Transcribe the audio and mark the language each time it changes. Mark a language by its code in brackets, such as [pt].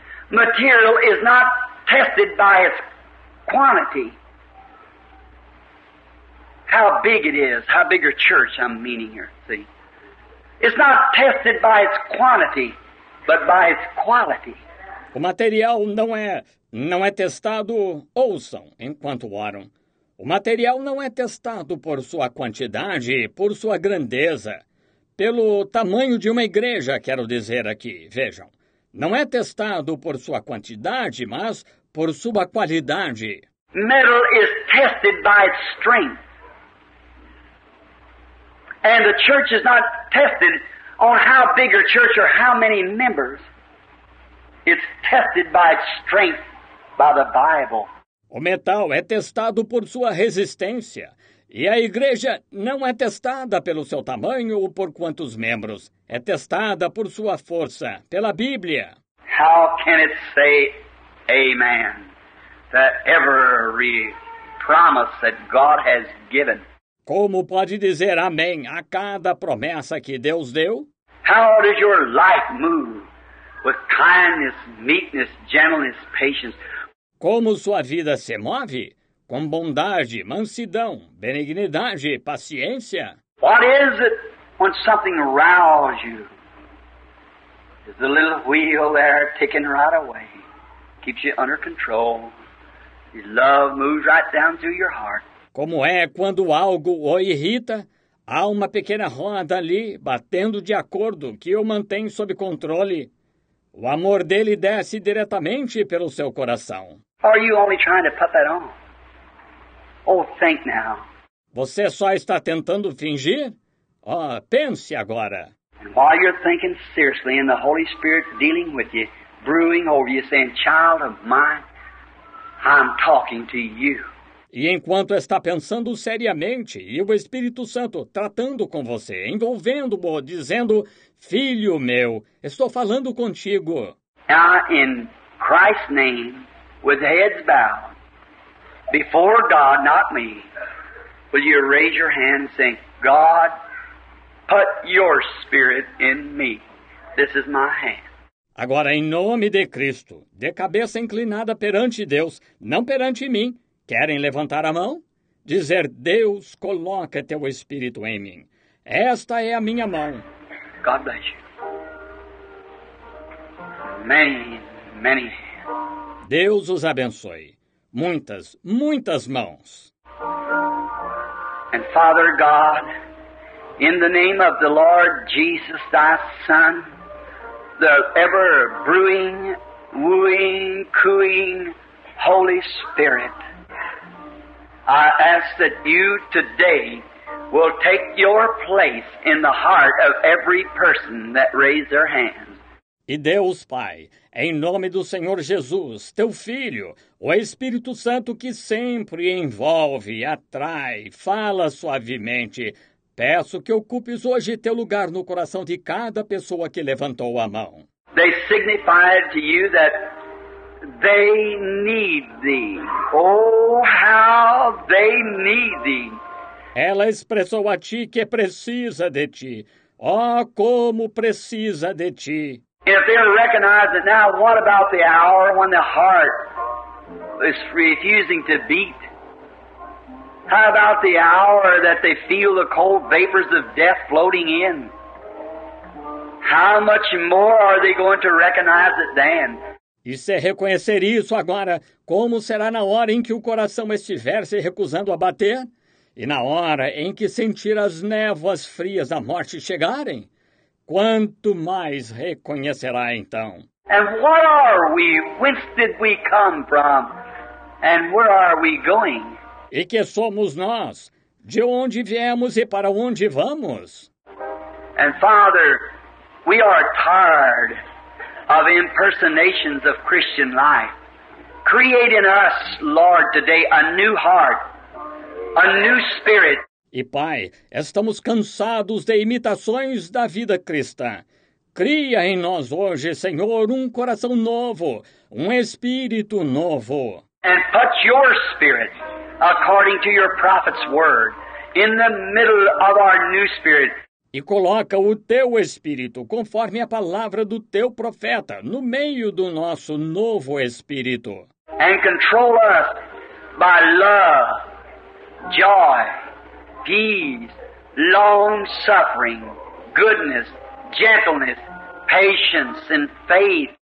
[en] Material is not tested by its quantity. How big it is, how big a church I'm meaning here, see? It's not tested by its quantity, but by its quality. [pt] O material não é testado, ouçam enquanto oram. O material não é testado por sua quantidade, por sua grandeza, pelo tamanho de uma igreja, quero dizer aqui, vejam. Não é testado por sua quantidade, mas por sua qualidade. [en] Metal is tested by its strength. And the church is not tested on how big a church or how many members. It's tested by its strength, by the Bible. [pt] O metal é testado por sua resistência. E a igreja não é testada pelo seu tamanho ou por quantos membros. É testada por sua força, pela Bíblia. [en] How can it say amen to every promise that God has given? [pt] Como pode dizer amém a cada promessa que Deus deu? [en] How does your life move with kindness, meekness, gentleness, patience? [pt] Como sua vida se move? Com bondade, mansidão, benignidade, paciência? [en] What is it when something rouses you? Is the little wheel there ticking right away? Keeps you under control. His love moves right down through your heart. [pt] Como é quando algo o irrita? Há uma pequena roda ali, batendo de acordo, que o mantém sob controle. O amor dele desce diretamente pelo seu coração. [en] Are you only trying to put that on? Oh, think now. [pt] Você só está tentando fingir? Oh, pense agora. [en] And while you're thinking seriously and the Holy Spirit dealing with you, brewing over you, saying, child of mine, I'm talking to you. [pt] E enquanto está pensando seriamente, e o Espírito Santo tratando com você, envolvendo-o, dizendo, filho meu, estou falando contigo. [en] Now, in Christ's name, with heads bowed, before God, not me, will you raise your hand and say, God, put your spirit in me. This is my hand. [pt] Agora, em nome de Cristo, de cabeça inclinada perante Deus, não perante mim, querem levantar a mão? Dizer, Deus, coloca teu Espírito em mim. Esta é a minha mão. [en] God bless you. Many, many hands. [pt] Deus os abençoe. Muitas, muitas mãos. [en] And Father God, in the name of the Lord Jesus, thy Son, the ever brewing, wooing, cooing Holy Spirit, I ask that you today will take your place in the heart of every person that raised their hand. [pt] E Deus Pai, em nome do Senhor Jesus, teu Filho, o Espírito Santo que sempre envolve, atrai, fala suavemente, peço que ocupes hoje teu lugar no coração de cada pessoa que levantou a mão. [en] They signified to you that they need thee. Oh, how they need thee. [pt] Ela expressou a ti que precisa de ti. Oh, como precisa de ti. [en] If they recognize it now, what about the hour when the heart is refusing to beat? How about the hour that they feel the cold vapors of death floating in? How much more are they going to recognize it then? [pt] E se reconhecer isso agora, como será na hora em que o coração estiver se recusando a bater? E na hora em que sentir as névoas frias da morte chegarem? Quanto mais reconhecerá então? [en] And what are we? Whence did we come from? And where are we going? [pt] E que somos nós? De onde viemos e para onde vamos? [en] And Father, we are tired of impersonations of Christian life. Create in us, Lord, today a new heart, a new spirit. [pt] E Pai, estamos cansados de imitações da vida cristã. Cria em nós hoje, Senhor, um coração novo, um espírito novo. [en] And put your spirit, according to your prophet's word, in the middle of our new spirit. [pt] E coloca o teu espírito, conforme a palavra do teu profeta, no meio do nosso novo espírito. [en] And control us by love, joy, peace, long-suffering, goodness, gentleness, patience, and faith.